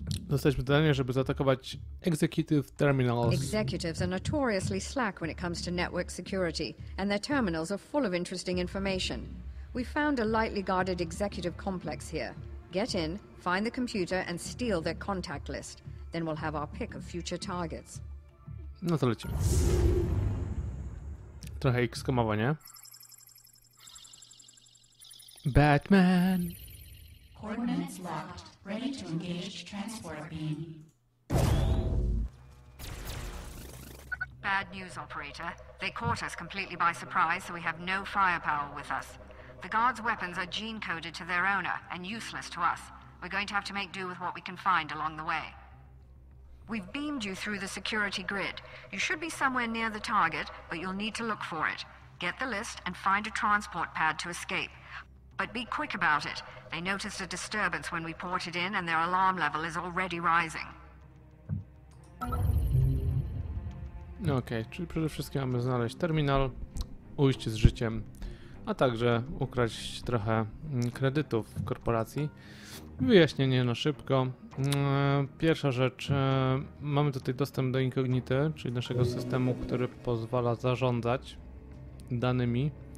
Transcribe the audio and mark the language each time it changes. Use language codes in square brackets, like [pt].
[pl] Zostaliśmy zadanie, żeby zaatakować executive terminals. [en] Executives are notoriously slack when it comes to network security, and their terminals are full of interesting information. We found a lightly guarded executive complex here. Get in, find the computer and steal their contact list. Then we'll have our pick of future targets. No to lecimy. Trochę X-komowo, nie? Batman! Coordinates locked. Ready to engage transport beam. Bad news, operator. They caught us completely by surprise, so we have no firepower with us. The guards' weapons are gene-coded to their owner and useless to us. We're going to have to make do with what we can find along the way. We've beamed you through the security grid. You should be somewhere near the target, but you'll need to look for it. Get the list and find a transport pad to escape. But be quick about it. They noticed a disturbance when we ported in and their alarm level is already rising. [pl] Okej, okay, czyli przede wszystkim mamy znaleźć terminal, ujść z życiem, a także ukraść trochę kredytów w korporacji. Wyjaśnienie na szybko. Pierwsza rzecz, mamy tutaj dostęp do Incognity, czyli naszego systemu, który pozwala zarządzać danymi.